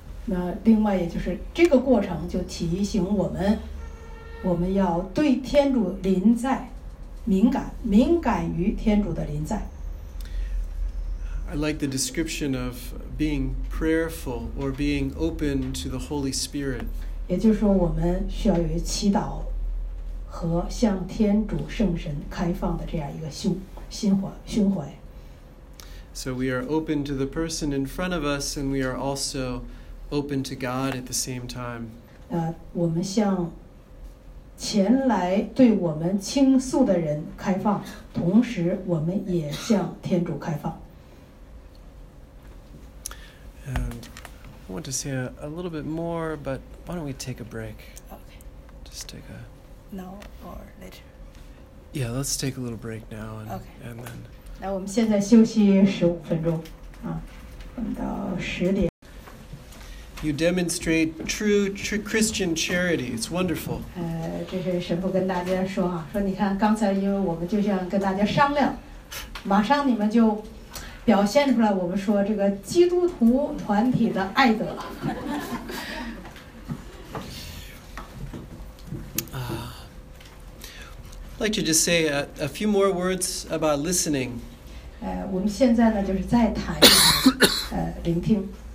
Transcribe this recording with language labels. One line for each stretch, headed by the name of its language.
Chinese: 那另外也就是这个过程就提醒我们要对天主临在敏感于天主的临在。
English: I like the description of being prayerful or being open to the Holy Spirit.
Chinese: 也就是说我们需要有祈祷和向天主圣神开放的这样一个胸怀。
English: So we are open to the person in front of us and we are also open to God at the same time.
Chinese: 我们向前来对我们倾诉的人开放，同时我们也向天主开放。
English: And I want to say a little bit more, but why don't we take a break? Okay. Just take a... Now or later? Yeah, let's take a little break now. And, okay. And then...
Chinese: 那我们现在休息15分钟，到10点。
English: You demonstrate true Christian charity. It's wonderful.
Chinese: 这是神父跟大家说啊，说你看刚才因为我们就像跟大家商量，马上你们就表现出来我们说这个基督徒团体的爱德。
English: I'd like to just say a few more words about listening.
Chinese: 我们现在呢就是再谈一下聆听。